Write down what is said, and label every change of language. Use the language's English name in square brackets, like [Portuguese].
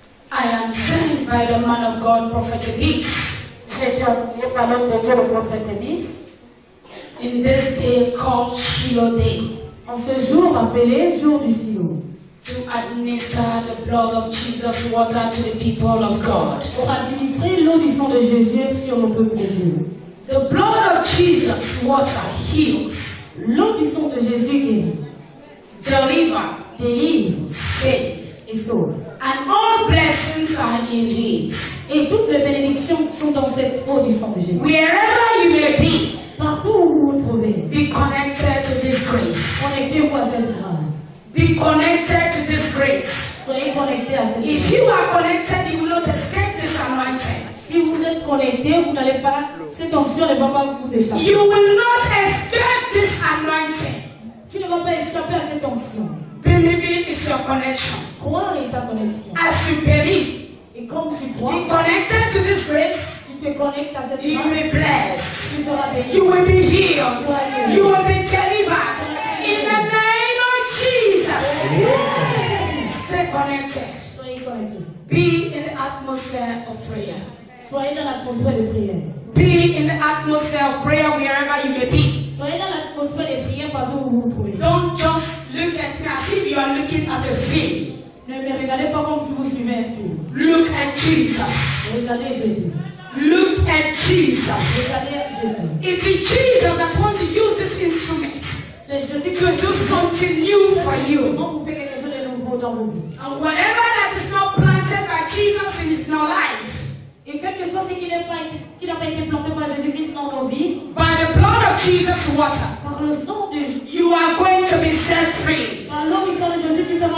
[English] I am sent by the man of God, Prophet Elise. [French] J'ai été envoyé par l'homme de Dieu, le prophète Elise. [English] In this day called Shiloh Day. [French] En ce jour appelé jour du Shiloh. [English] To administer the blood of Jesus water to the people of God. [French] Pour administrer l'eau du sang de Jésus sur le peuple de Dieu. [English] The blood of Jesus water heals. [French] L'eau du sang de Jésus guérit. [English] Deliver. [French] Délivre. [English] Save. [French] Et sauve. [English] And all blessings are in it. [French] Et toutes les bénédictions sont dans cette eau du sang de Jésus. [English] Wherever you may be. [French] Partout où vous vous trouvez. [English] Be connected to this grace. [French] Connectez-vous à cette grâce. [English] Be connected to this grace. [French] Soyez connectés à cette grâce. [English] If you are connected, you will not escape this anointing. [French] Si vous êtes connecté, vous n'allez pas, cette onction ne va pas vous échapper. [English] You will not escape this anointing. [French] Tu ne vas pas échapper à cette onction. [English] Believing is your connection. [French] Croire est ta connexion. [English] As you believe. [French] Et comme tu crois, [English] connected to this grace, [French] tu te connectes à cette grâce. [English] You will be blessed. [French] Tu seras béni. [English] You will be healed. You will be delivered. In the name of Jesus. Stay connected. [French] Soyez connecté. [English] Be in the atmosphere of prayer. [French] Soyez dans l'atmosphère de prière. [English] Be in the atmosphere of prayer wherever you may be. [French] Soyez dans l'atmosphère de prière partout où vous vous trouvez. [English] Don't just look at me as if you are looking at a film. [French] Ne me regardez pas comme si vous suivez un film. [English] Look at Jesus. [French] Regardez Jésus. [English] Look at Jesus. [French] Regardez Jésus. [English] It is Jesus that wants to use this instrument. [French] C'est Jésus [English] to do something new for you. [French] Vous faire quelque chose de nouveau dans vos vies. [English] And whatever that is not planted by Jesus in your life. [French] Et quelque chose ce qui n'a pas été planté par Jésus-Christ dans nos vies. [English] By the blood of Jesus water. [French] Par le sang de Jésus. [English] You are going to be set free. [French] Par l'eau du sang de Jésus, tu seras